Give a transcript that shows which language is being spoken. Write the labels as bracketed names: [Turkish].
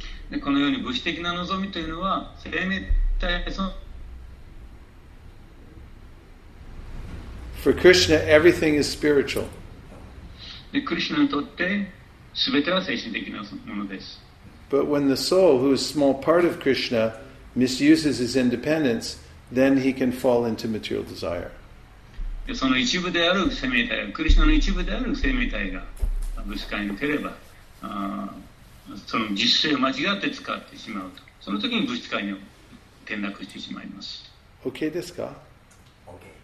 [Japanese] でこのように物質的な望みというのは生命体その。 [English] For Krishna, everything is spiritual. [Japanese] でクリシュナにとってすべては精神的なものです。 [English] But when the soul, who is a small part of Krishna, misuses his independence, then he can fall into material desire. [Japanese] でその一部である生命体、クリシュナの一部である生命体が。物質界に出ればその実性を間違って使ってしまうとその時に物質界に転落してしまいます OK ですか [English] OK